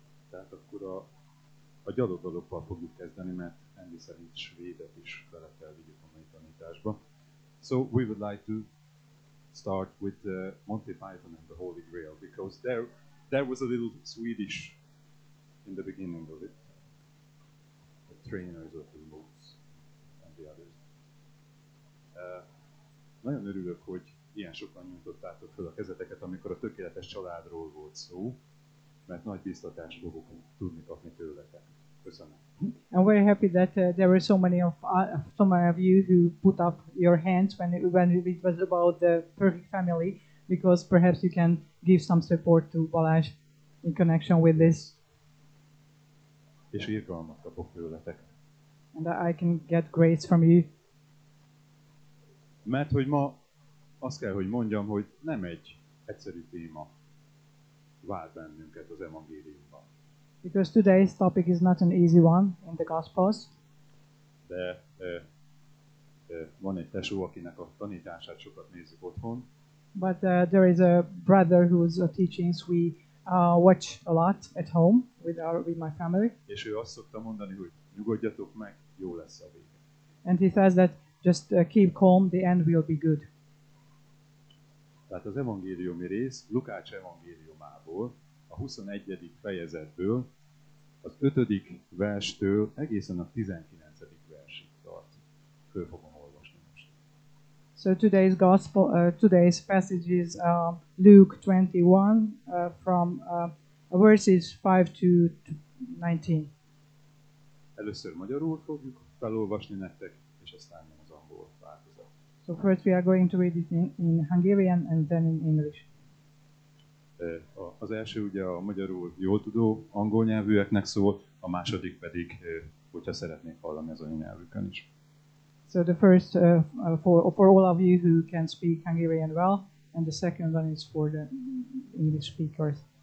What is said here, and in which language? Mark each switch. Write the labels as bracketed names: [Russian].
[Hungarian] tehát akkor a gyadodalokkal fogjuk kezdeni, mert Andy szerint svédet is bele kell vigyük a mai tanításba. [English] So we would like to start with Monty Python and the Holy Grail, because there was a little Swedish in the beginning of it. The trainers of the wolves and the others. [Hungarian] Nagyon örülök, hogy ilyen sokan nyújtottátok fel a kezeteket, amikor a tökéletes családról volt szó, mert nagy biztatást fogok tudni kapni tőletek. Köszönöm. [English] I'm very happy that there were so many of you who put up your hands when it was about the perfect family, because perhaps you can give some support to Balázs in connection with this. [Hungarian] És irgalmat kapok tőletek. [English] And I can get grace from you. [Hungarian] Mert hogy ma azt kell, hogy mondjam, hogy nem egy egyszerű téma vált bennünket az evangéliumban. [English] Because today's topic is not an easy one in the Gospels. [Hungarian] De van egy tesó, akinek a tanítását sokat nézik otthon. [English] But there is a brother whose teachings we watch a lot at home with my family. [Hungarian] És ő azt szokta mondani, hogy nyugodjatok meg, jó lesz a vége. [English] And he says that just keep calm, the end will be good. [Hungarian] Tehát az evangéliumi rész Lukács evangéliumából, a 21. fejezetből, az 5. verstől egészen a 19. versig tart. Föl fogom olvasni most. [English] So today's gospel, today's passage is Luke 21, from verses 5 to 19. [Hungarian] Először magyarul fogjuk felolvasni nektek, és aztán az angol változat. [English] So first we are going to read it in Hungarian and then in English. [Hungarian] Az első ugye a magyarul jól tudó angol nyelvűeknek szól, a második pedig, hogyha szeretnék hallani az anyanyelvükön is. [English] So the first for all of you who can speak Hungarian well, and the second one is for the English speakers.